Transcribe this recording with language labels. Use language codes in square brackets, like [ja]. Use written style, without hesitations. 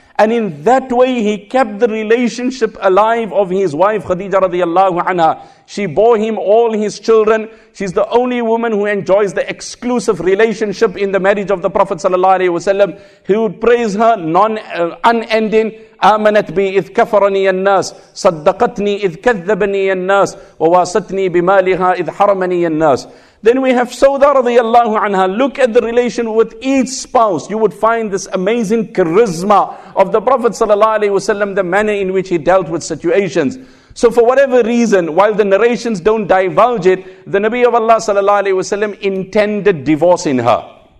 [en] And in that way, he kept the relationship alive of his wife Khadija radiallahu anha. She bore him all his children. She's the only woman who enjoys the exclusive relationship in the marriage of the Prophet sallallahu alaihi wasallam. He would praise her unending. [ar] آمنت بي إذ كفرني الناس صدقتني إذ كذبني الناس وواستني بمالها إذ حرمني الناس. [en] Then we have Sauda radiallahu anha. Look at the relation with each spouse. You would find this amazing charisma of the Prophet sallallahu alaihi wasallam, the manner in which he dealt with situations. So for whatever reason, while the narrations don't divulge it, the Nabi of Allah sallallahu alaihi wasallam intended divorce in her.